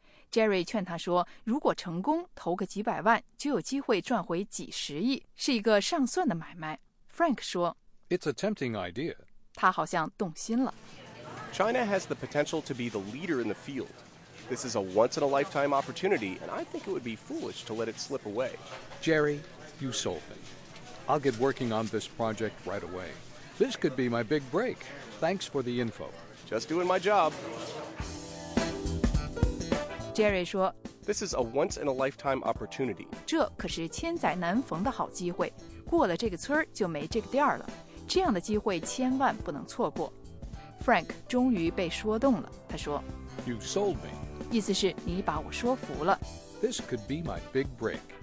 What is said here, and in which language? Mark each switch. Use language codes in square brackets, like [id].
[zh] Jerry 劝他说，如果成功，投个几百万，就有机会赚回几十亿，是一个上算的买卖。 Frank 说 [en] It's a tempting idea. [zh] 他好像动心了。 [en] China has the potential to be the leader in the field. This is a once-in-a-lifetime opportunity, and I think it would be foolish to let it slip away. Jerry, you sold me. I'll get working on this project right away. This could be my big break. Thanks for the info. Just doing my job. [zh] Jerry 说 [en] This is a once-in-a-lifetime opportunity. [zh] 这可是千载难逢的好机会，过了这个村就没这个店了，这样的机会千万不能错过。 Frank 终于被说动了，他说 [en] You sold me. [zh] 意思是你把我说服了。 [en] This could be my big break.